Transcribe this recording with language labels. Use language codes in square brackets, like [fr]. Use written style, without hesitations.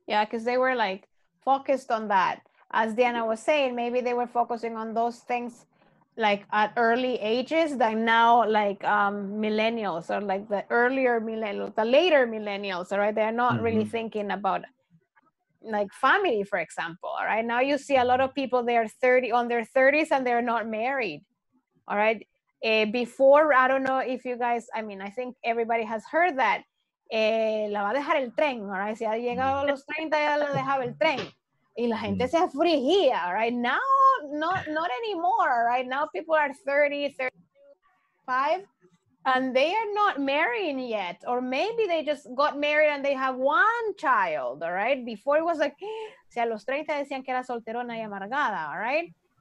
[en] Yeah, because they were like focused on that. As Diana was saying, maybe they were focusing on those things like at early ages than now, like millennials or like the earlier millennials, the later millennials, all right? They're not mm-hmm. really thinking about like family, for example, all right? Now you see a lot of people, they are 30, on their 30s and they're not married, all right? Before, I don't know if you guys, I mean, I think everybody has heard that. [es] La va a dejar el tren, [en] all right? [es] Si ha llegado a los 30, ya la dejaba el tren. Y la gente se afligía, [en] right? Now, not anymore, right? Now people are 30, 35, and they are not marrying yet. Or maybe they just got married and they have one child, all right? Before it was like, [es] si a los 30 decían que era solterona y amargada, [en] all right?